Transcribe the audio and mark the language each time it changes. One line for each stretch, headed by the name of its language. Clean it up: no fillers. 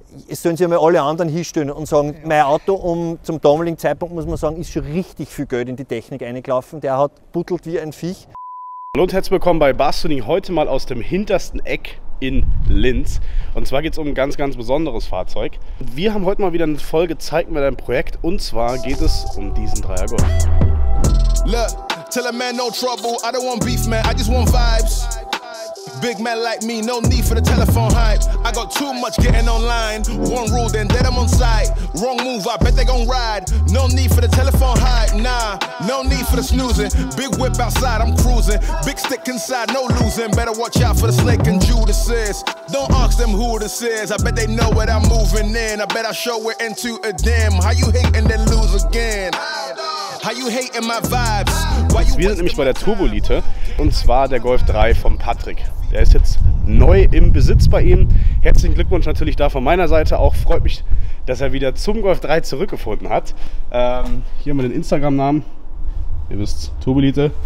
German: Sollen sie einmal alle anderen hinstellen und sagen, mein Auto zum damaligen Zeitpunkt, muss man sagen, ist schon richtig viel Geld in die Technik eingelaufen. Der hat buddelt wie ein Viech. Hallo und herzlich willkommen bei Bastuning, heute mal aus dem hintersten Eck in Linz. Und zwar geht es um ein ganz, ganz besonderes Fahrzeug. Wir haben heute mal wieder eine Folge Zeit mit einem Projekt und zwar geht es um diesen Dreier Golf.
English: Look, tell a man no trouble, I don't want beef man, I just want vibes. Big man like me, no need for the telephone hype. I got too much getting online, one rule then dead I'm on sight. Wrong move, I bet they gon' ride, no need for the telephone hype. Nah, no need for the snoozing, big whip outside, I'm cruising. Big stick inside, no losing, better watch out for the slick and Judases. Don't ask them who this is, I bet they know what I'm moving in. I bet I show it into a dim, how you hate and then lose again. How you hating my vibes?
German: Wir sind nämlich bei der Turbolite und zwar der Golf 3 von Patrick. Der ist jetzt neu im Besitz bei ihm. Herzlichen Glückwunsch natürlich da von meiner Seite auch. Freut mich, dass er wieder zum Golf 3 zurückgefunden hat. Hier haben wir den Instagram-Namen. Ihr wisst, Turbolite.